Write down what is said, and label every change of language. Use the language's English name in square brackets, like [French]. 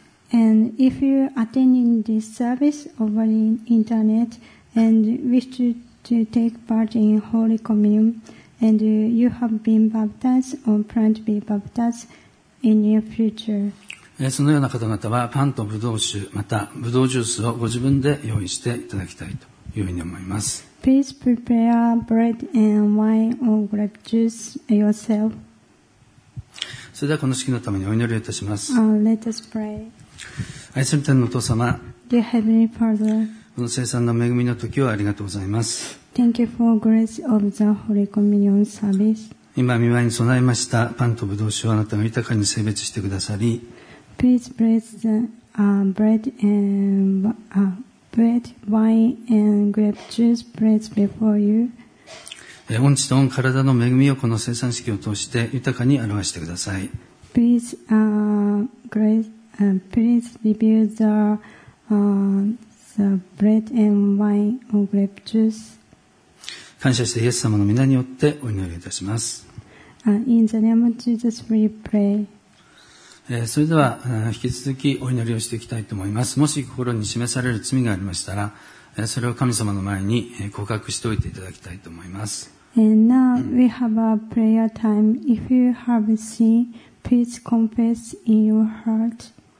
[English] And if you attending this service over the internet and wish to take part in Holy Communion and you have been baptized or plan to be baptized in your future [Japanese] そのような方々はパンとブドウ酒、またブドウジュースをご自分で用意していただきたいというふうに思います。 [English] Please prepare bread and wine or grape juice yourself. [Japanese] それではこの式のためにお祈りいたします。 [English] Let us pray. [Japanese] 愛する天のお父様、 [English] Dear Heavenly Father, [Japanese] この聖餐の恵みの時をありがとうございます。 [English] Thank you for grace of the Holy Communion service. [Japanese] 今御前に備えましたパンとブドウ酒をあなたが豊かに聖別してくださり、 [English] Please bless the bread and bread, wine and grape juice. Bless before you. [Japanese] 御血と御体の恵みをこの聖餐式を通して豊かに表してください。 [English] Please, please review the bread and wine or grape juice. [Japanese] 感謝してイエス様の御名によってお祈りいたします。 [English] In the name of Jesus, we pray. [Japanese] それでは引き続きお祈りをしていきたいと思います。もし心に示される罪がありましたら、それを神様の前に告白しておいていただきたいと思います。 [English] And now we have a prayer time. If you have sin, please confess in your heart.